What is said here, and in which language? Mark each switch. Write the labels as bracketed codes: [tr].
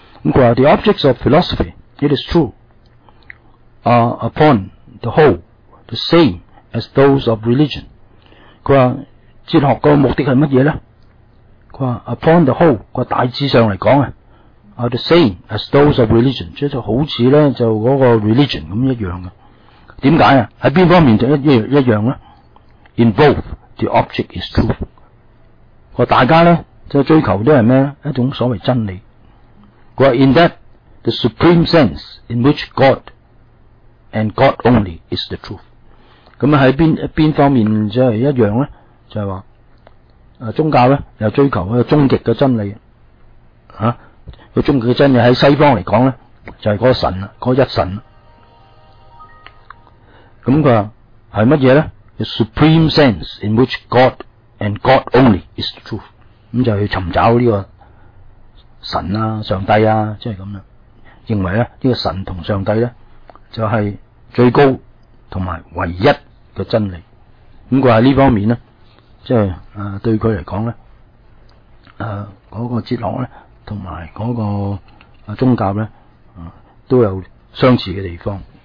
[en] The objects of philosophy, it is true, are upon the whole the same as those of religion. [yue] 佢話哲學個目的係乜嘢咧？佢話 [en] upon the whole， [yue] 佢大致上嚟講啊 ， [en] are the same as those of religion， [yue] 即係好似咧就嗰個 religion 咁一樣嘅。點解啊？喺邊方面就一樣咧 ？ [en] In both, the object is truth。 [yue] 佢大家咧就追求都係咩咧？一種所謂真理。 [en] In that, the supreme sense in which God and God only is the truth. [yue] 咁喺边方面即系一样咧，就系话宗教咧又追求一个终极嘅真理啊。个终极嘅真理喺西方嚟讲咧，就系嗰个神啦，嗰一神。咁佢系乜嘢咧 ？ [en] The supreme sense in which God and God only is the truth. [yue] 咁就去寻找呢个神啊，上帝啊，即系咁样，认为咧呢、这个神同上帝咧就系、是、最高同埋唯一嘅真理。咁佢喺呢方面咧，即系对佢嚟讲咧，嗰、那个哲学咧同埋嗰个宗教咧，都有相似嘅地方。